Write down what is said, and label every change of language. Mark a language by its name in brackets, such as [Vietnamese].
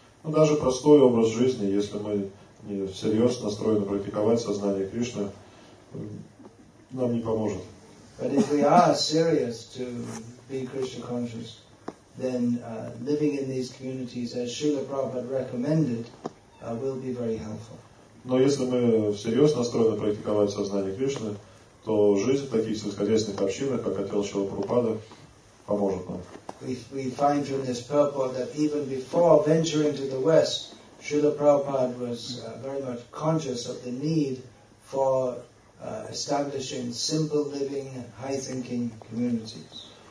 [Russian] Но даже простой образ жизни, если мы не всерьез настроены практиковать сознание Кришны, нам не поможет. [English] But if we are serious to be Krishna conscious, then living in these communities, as Srila Prabhupada recommended, will be very helpful. [Russian] Но если мы всерьез настроены практиковать сознание Кришны, то жизнь в таких сельскохозяйственных общинах, как хотел Шрила Прабхупада, поможет нам. [English] We find from this purport that even before venturing to the West, Srila Prabhupada was very much conscious of the need for establishing simple living, high thinking communities.